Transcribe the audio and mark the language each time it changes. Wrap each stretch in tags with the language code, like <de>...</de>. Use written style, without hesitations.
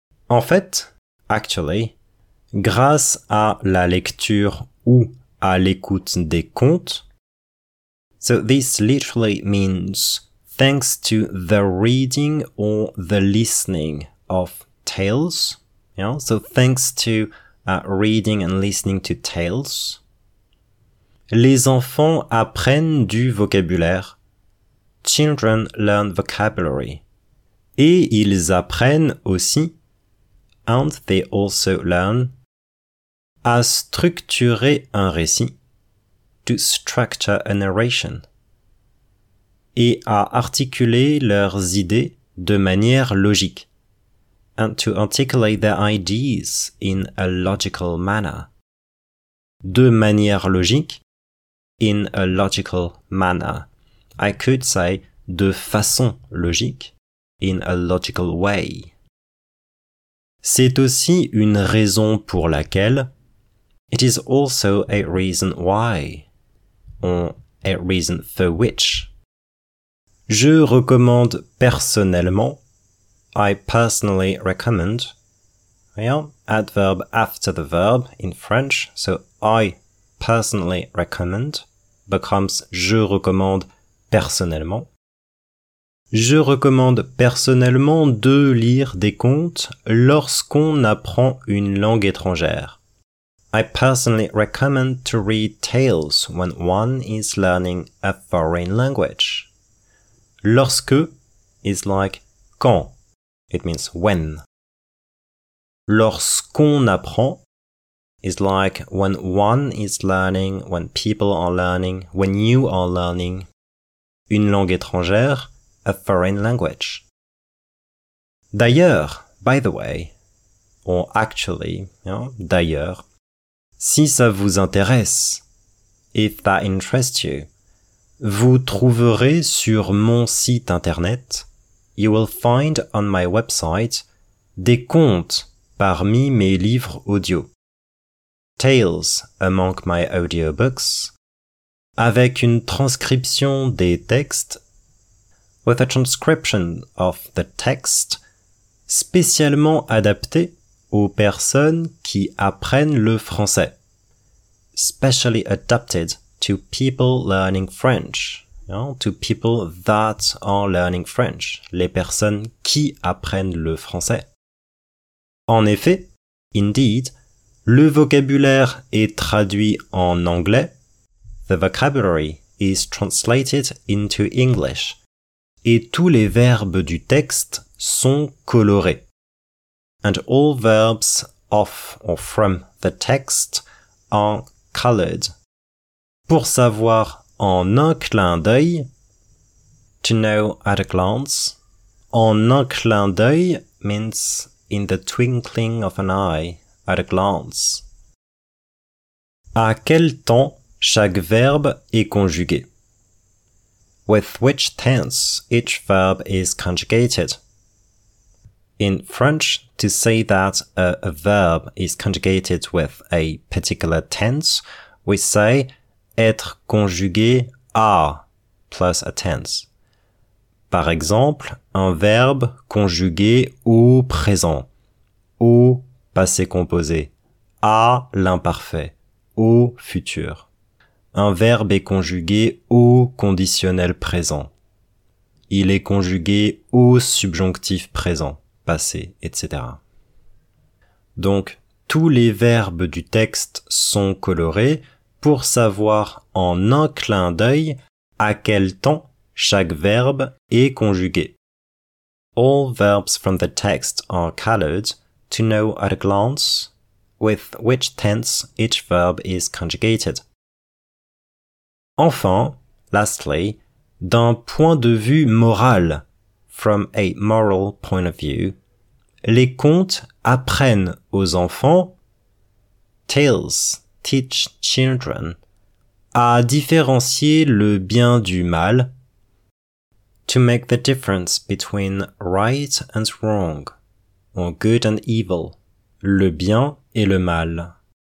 <fr>En fait,</fr> <en>actually,</en> <fr>grâce à la lecture ou à l'écoute des contes.</fr> <en>So this literally means thanks to the reading or the listening of tales. Yeah? So thanks to reading and listening to tales.</en> <fr>Les enfants apprennent du vocabulaire.</fr> <en>Children learn vocabulary.</en> <fr>Et ils apprennent aussi,</fr> <en>and they also learn,</en> <fr>à structurer un récit,</fr> <en>to structure a narration,</en> <fr>et à articuler leurs idées de manière logique,</fr> <en>and to articulate their ideas in a logical manner.</en> <fr>De manière logique,</fr> <en>in a logical manner. I could say</en> <fr>de façon logique,</fr> <en>in a logical way.</en> <fr>C'est aussi une raison pour laquelle</fr> <en>it is also a reason why, or a reason for which.</en> <fr>Je recommande personnellement,</fr> <en>I personally recommend, yeah, adverb after the verb in French, so I personally recommend becomes je recommande personnellement.</en> <fr>Je recommande personnellement de lire des contes lorsqu'on apprend une langue étrangère.</fr> <en>I personally recommend to read tales when one is learning a foreign language. Lorsque is like quand. It means when.</en> <fr>Lorsqu'on apprend</fr> <en>is like when one is learning, when people are learning, when you are learning.</en> <fr>Une langue étrangère,</fr> <en>a foreign language.</en> <fr>D'ailleurs,</fr> <en>by the way, or actually, yeah,</en> <fr>d'ailleurs, si ça vous intéresse,</fr> <en>if that interests you,</en> <fr>vous trouverez sur mon site internet,</fr> <en>you will find on my website,</en> <fr>des contes parmi mes livres audio.</fr> <en>Tales among my audiobooks,</en> <fr>avec une transcription des textes,</fr> <en>with a transcription of the text,</en> <fr>spécialement adapté aux personnes qui apprennent le français.</fr> <en>Specially adapted to people learning French. You know, to people that are learning French.</en> <fr>Les personnes qui apprennent le français. En effet,</fr> <en>indeed,</en> <fr>le vocabulaire est traduit en anglais.</fr> <en>The vocabulary is translated into English.</en> <fr>Et tous les verbes du texte sont colorés.</fr> <en>And all verbs of or from the text are colored.</en> <fr>Pour savoir en un clin d'œil,</fr> <en>to know at a glance,</en> <fr>en un clin d'œil</fr> <en>means in the twinkling of an eye, at a glance.</en> <fr>À quel temps chaque verbe est conjugué?</fr> <en>With which tense each verb is conjugated? In French, to say that a verb is conjugated with a particular tense, we say</en> <fr>être conjugué à</fr> <en>plus a tense.</en> <fr>Par exemple, un verbe conjugué au présent, au passé composé, à l'imparfait, au futur. Un verbe est conjugué au conditionnel présent. Il est conjugué au subjonctif présent, passé, etc. Donc, tous les verbes du texte sont colorés pour savoir en un clin d'œil à quel temps chaque verbe est conjugué.</fr> <en>All verbs from the text are colored to know at a glance with which tense each verb is conjugated.</en> <fr>Enfin,</fr> <en>lastly,</en> <fr>d'un point de vue moral,</fr> <en>from a moral point of view,</en> <fr>les contes apprennent aux enfants,</fr> <en>tales teach children,</en> <fr>à différencier le bien du mal,</fr> <en>to make the difference between right and wrong, or good and evil,</en> <fr>le bien et le mal,</fr>